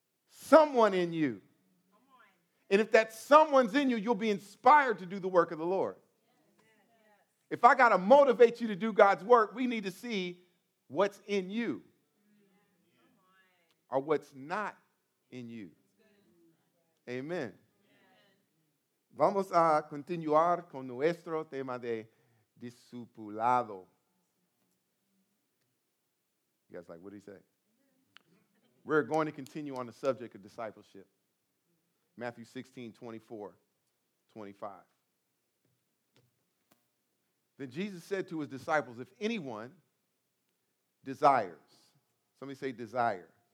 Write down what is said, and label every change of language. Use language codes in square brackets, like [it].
[en] Someone in you. And if that someone's in you, you'll be inspired to do the work of the Lord. If I got to motivate you to do God's work, we need to see what's in you or what's not in you. Amen. [es] Vamos a continuar con nuestro tema de discipulado. [en] You guys like, what did he say? We're going to continue on the subject of discipleship. Matthew 16, 24, 25. Then Jesus said to his disciples, if anyone desires, somebody say desire.